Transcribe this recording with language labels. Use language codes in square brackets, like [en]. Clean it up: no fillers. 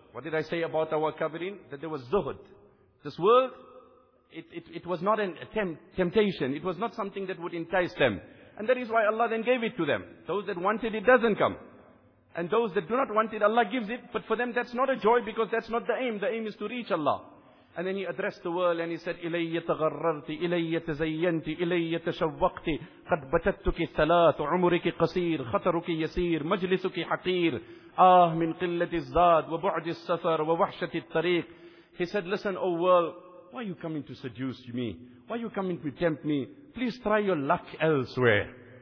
[en] What did I say about our kabirin? That there was zuhud. This world, it was not an attempt, temptation. It was not something that would entice them. And that is why Allah then gave it to them. Those that want it doesn't come. And those that do not want it, Allah gives it. But for them, that's not a joy because that's not the aim. The aim is to reach Allah. And then he addressed the world and he said, [ar] إِلَيَّ تَغَرَّرْتِ إِلَيَّ تَزَيَّنْتِ إِلَيَّ تَشَوَّقْتِ قَدْ بَتَتُكِ الثَّلَاثُ عُمُرِكِ قَصِيرُ خَطَرُكِ يَسِيرُ مَجْلِسُكِ حَقِيرُ آه مِنْ قِلَّةِ الزَّادِ وَبُعْدِ السَّفَرِ وَوَحْشَةِ الطَّرِيقِ. [en] He said, listen, O world, why are you coming to seduce me? Why are you coming to tempt me? Please try your luck elsewhere.